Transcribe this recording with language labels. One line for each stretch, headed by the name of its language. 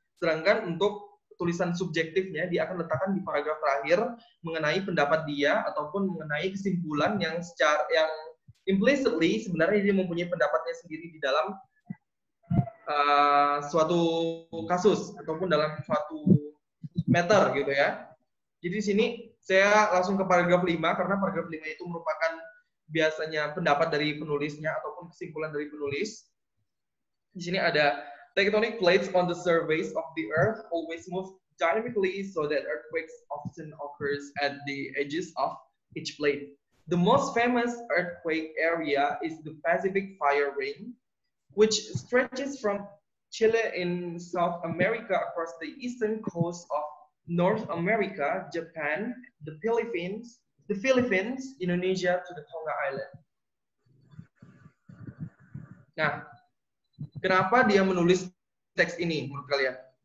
Indonesian: Sedangkan untuk tulisan subjektifnya, dia akan letakkan di paragraf terakhir mengenai pendapat dia ataupun mengenai kesimpulan yang secara yang implicitly sebenarnya dia mempunyai pendapatnya sendiri di dalam suatu kasus ataupun dalam suatu matter gitu ya. Jadi di sini saya langsung ke paragraf 5 karena paragraf 5 itu merupakan biasanya pendapat dari penulisnya ataupun kesimpulan dari penulis. Di sini ada
English: tectonic plates on the surface of the earth always move dynamically so that earthquakes often occurs at the edges of each plate. The most famous earthquake area is the Pacific Fire Ring, which stretches from Chile in South America across the eastern coast of North America, Japan, the Philippines, Indonesia, to the Tonga Island.
Indonesian: Nah, kenapa dia menulis teks ini menurut kalian?